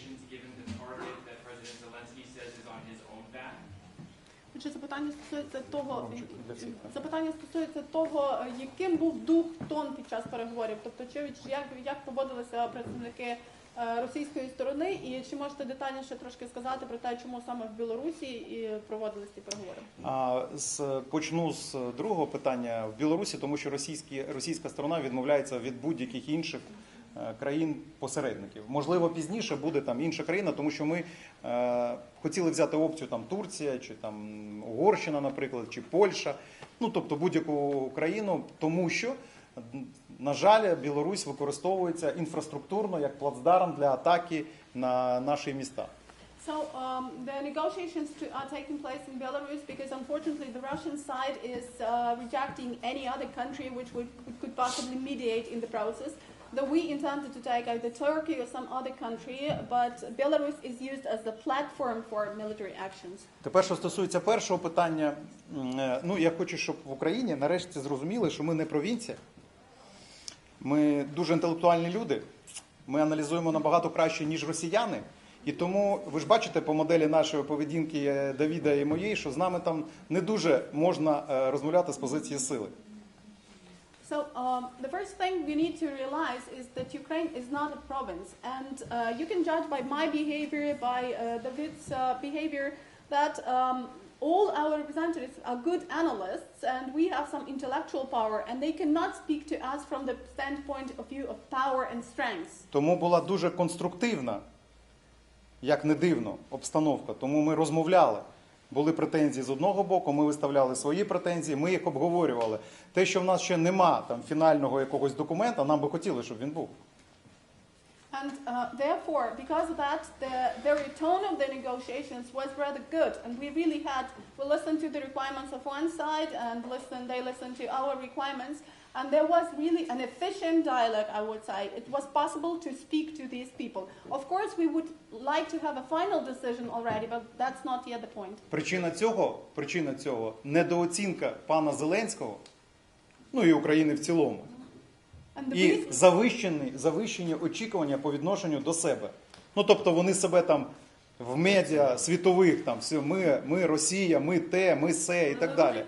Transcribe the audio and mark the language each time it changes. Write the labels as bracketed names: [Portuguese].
[English] Given the target that President Zelensky says is on his own back? [Ukrainian] чи запитання стосується того, запитання стосується того, яким був дух, тон під час переговорів, тобто чи як поводилися представники російської сторони, і чи можете детальніше трошки сказати про те, чому саме в Білорусі і проводились ці переговори? Почну з другого питання. В Білорусі, тому що російська сторона відмовляється від будь-яких інших країн-посередників. Можливо, пізніше буде там інша країна, тому що ми хотіли взяти опцію там Турція, чи там Угорщина, наприклад, чи Польща, ну, тобто будь-яку країну, тому що, на жаль, Білорусь використовується інфраструктурно як плацдарм для атаки на наші міста. [English] So the negotiations are taking place in Belarus because unfortunately the Russian side is rejecting any other country which would could possibly mediate in the process. Though we intended to take either Turkey or some other country, but Belarus is used as the platform for military actions. [Ukrainian] Тепер, що стосується першого питання, ну, я хочу, щоб в Україні нарешті зрозуміли, що ми не провінція. Ми дуже інтелектуальні люди, ми аналізуємо набагато краще, ніж росіяни. І тому, ви ж бачите по моделі нашої поведінки Давіда і моєї, що з нами там не дуже можна розмовляти з позиції сили. [English] So, the first thing you need to realize is that Ukraine is not a province. And you can judge by my behavior, by Давид's behavior, that all our representatives are good analysts and we have some intellectual power and they cannot speak to us from the standpoint of view of power and strength. [Ukrainian] Тому була дуже конструктивна, як не дивно, обстановка. Тому ми розмовляли. Були претензії з одного боку, ми виставляли свої претензії, ми їх обговорювали. Те, що в нас ще нема там фінального якогось документа, нам би хотіли, щоб він був. [English] And therefore, because of that, the very tone of the negotiations was rather good. And we really had, we listened to the requirements of one side, and listened, they listened to our requirements. And there was really an efficient dialogue, I would say. It was possible to speak to these people. Of course, we would like to have a final decision already, but that's not yet the point. [Ukrainian] Причина цього, недооцінка пана Зеленського, ну і України в цілому. І завищені очікування по відношенню до себе. Ну, тобто вони себе там в медіа світових, там все, ми Росія, ми те, ми се і так далі.